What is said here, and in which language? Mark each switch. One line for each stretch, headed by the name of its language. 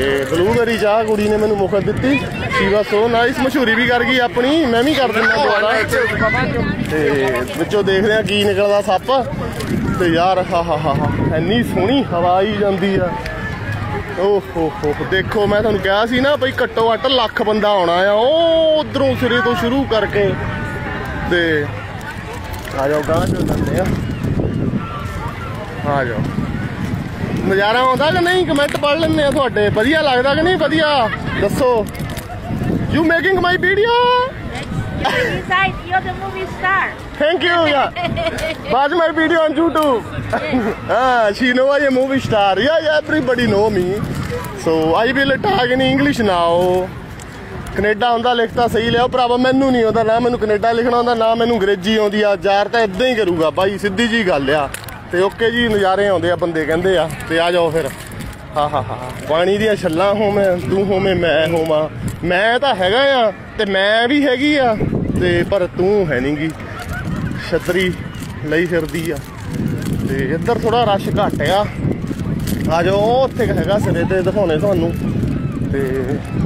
Punjabi: Blue ਬਰੀ ਚਾਹ ਕੁੜੀ ਨੇ ਮੈਨੂੰ ਮੁਫਤ ਦਿੱਤੀ ਸ਼ੀਵਾ
English: so nice
Punjabi: ਮਸ਼ਹੂਰੀ ਵੀ ਕਰ ਗਈ ਆਪਣੀ ਮੈਂ ਵੀ ਕਰ ਦਿੰਦਾ ਦੁਬਾਰਾ ਅਤੇ ਵਿੱਚੋਂ ਦੇਖਦੇ ਹਾਂ ਕੀ ਨਿਕਲਦਾ ਸੱਪ ਅਤੇ ਯਾਰ ਹਾ ਹਾ ਹਾ ਹਾ ਇੰਨੀ ਸੋਹਣੀ ਹਵਾ ਆਈ ਜਾਂਦੀ ਆ ਓਹ ਦੇਖੋ ਮੈਂ ਤੁਹਾਨੂੰ ਕਿਹਾ ਸੀ ਨਾ ਬਈ ਘੱਟੋ ਘੱਟ ਲੱਖ ਬੰਦਾ ਆਉਣਾ ਆ ਉਹ ਉੱਧਰੋਂ ਸਿਰੇ ਤੋਂ ਸ਼ੁਰੂ ਕਰਕੇ ਅਤੇ ਆ ਜਾਓ ਗਾਂਹ ਚੱਲਦੇ ਆ ਆ ਜਾਓ ਨਜ਼ਾਰਾ ਆਉਂਦਾ ਕਿ ਨਹੀਂ ਕਮੈਂਟ ਪੜ੍ਹ ਲੈਂਦੇ ਹਾਂ ਤੁਹਾਡੇ ਵਧੀਆ ਲੱਗਦਾ ਕਿ ਨਹੀਂ ਵਧੀਆ ਦੱਸੋ
English: You making my video? Inside, you're the movie star. Thank you, yeah. Watch my video on YouTube. Ah, she know I'm a movie star. Yeah, yeah, everybody know me. So, I will talk in English now.
Punjabi: Canada ਆਉਂਦਾ ਲਿਖਤਾ ਸਹੀ ਲਿਆ ਭਰਾਵਾ ਮੈਨੂੰ ਨਹੀਂ ਆਉਂਦਾ ਨਾ ਮੈਨੂੰ Canada ਲਿਖਣਾ ਆਉਂਦਾ ਨਾ ਮੈਨੂੰ ਅੰਗਰੇਜ਼ੀ ਆਉਂਦੀ ਆ ਯਾਰ ਤਾਂ ਇੱਦਾਂ ਹੀ ਕਰੂਗਾ ਬਾਈ ਸਿੱਧੀ ਜਿਹੀ ਗੱਲ ਆ ਅਤੇ ਓਕੇ ਜੀ ਨਜ਼ਾਰੇ ਆਉਂਦੇ ਆ ਬੰਦੇ ਕਹਿੰਦੇ ਆ ਅਤੇ ਆ ਜਾਓ ਫਿਰ ਹਾਂ ਹਾਂ ਹਾਂ ਪਾਣੀ ਦੀਆਂ ਛੱਲਾਂ ਹੋਵੇ ਤੂੰ ਹੋਵੇ ਮੈਂ ਹੋਵਾਂ ਮੈਂ ਤਾਂ ਹੈਗਾ ਆ ਅਤੇ ਮੈਂ ਵੀ ਹੈਗੀ ਆ ਅਤੇ ਪਰ ਤੂੰ ਹੈ ਨਹੀਂ ਗੀ ਛੱਤਰੀ ਲਈ ਫਿਰਦੀ ਆ ਅਤੇ ਇੱਧਰ ਥੋੜ੍ਹਾ ਰਸ਼ ਘੱਟ ਆ ਆ ਜਾਓ ਉੱਥੇ ਹੈਗਾ ਸਿਰੇ 'ਤੇ ਦਿਖਾਉਂਦੇ ਤੁਹਾਨੂੰ ਅਤੇ